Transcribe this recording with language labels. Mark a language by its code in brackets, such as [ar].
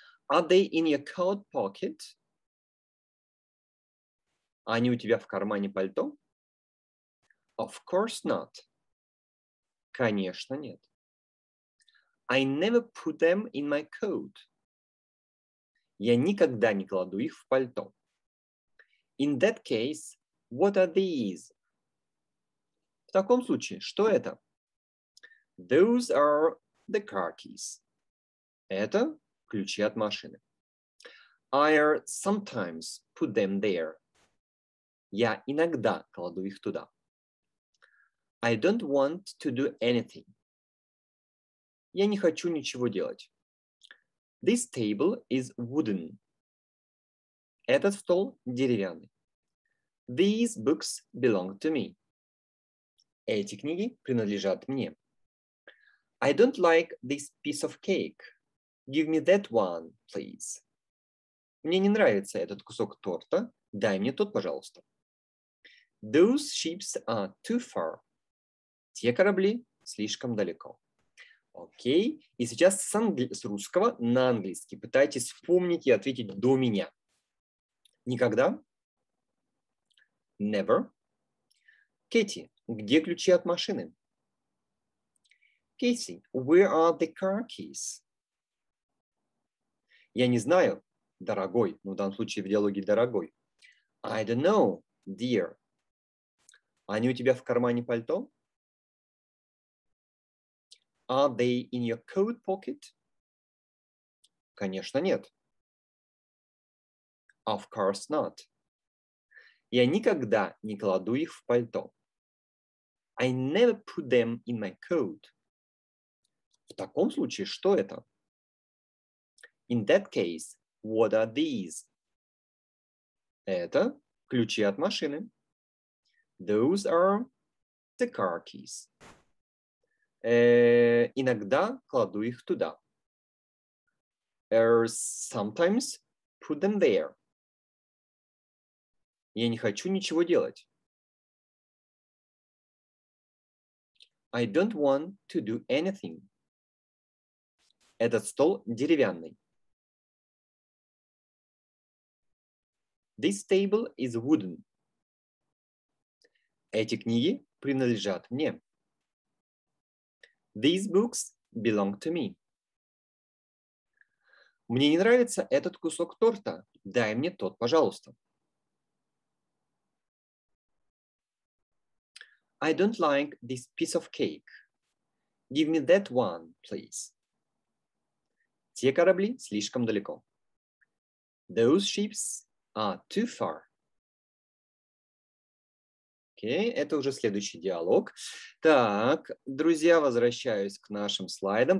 [en] Are they in your coat pocket? [ru] Они у тебя в кармане пальто? [en] Of course not. [ru] Конечно, нет. [en] I never put them in my coat. [ru] Я никогда не кладу их в пальто. [en] In that case, what are these? [ru] В таком случае, что это? [en] Those are the car keys. [ru] Это ключи от машины. [en] I sometimes put them there. [ru] Я иногда кладу их туда. [en] I don't want to do anything. [ru] Я не хочу ничего делать. [en] This table is wooden. [ru] Этот стол деревянный. [en] These books belong to me. [ru] Эти книги принадлежат мне. [en] I don't like this piece of cake. Give me that one, please. [ru] Мне не нравится этот кусок торта. Дай мне тот, пожалуйста. [en] Those ships are too far. [ru] Те корабли слишком далеко. Окей. И сейчас с русского на английский. Пытайтесь вспомнить и ответить до меня. Никогда? [en] Never. [ru] Кэти, где ключи от машины? [en] Кэти, where are the car keys? [ru] Я не знаю, дорогой. Ну, в данном случае в диалоге дорогой. [en] I don't know, dear. [ru] Они у тебя в кармане пальто? [en] Are they in your coat pocket? [ru] Конечно, нет. [en] Of course not. [ru] Я никогда не кладу их в пальто. [en] I never put them in my coat. [ru] В таком случае, что это? [en] In that case, what are these? [ru] Это ключи от машины. [en] Those are the car keys. [ru] Иногда кладу их туда. [en] Sometimes put them there. [ru] Я не хочу ничего делать. [en] I don't want to do anything. [ru] Этот стол деревянный. [en] This table is wooden. [ru] Эти книги принадлежат мне. [en] These books belong to me. [ru] Мне не нравится этот кусок торта. Дай мне тот, пожалуйста. [en] I don't like this piece of cake. Give me that one, please. [ru] Те корабли слишком далеко. [en] Those ships are too far. [ru] Окей, это уже следующий диалог. Так, друзья, возвращаюсь к нашим слайдам.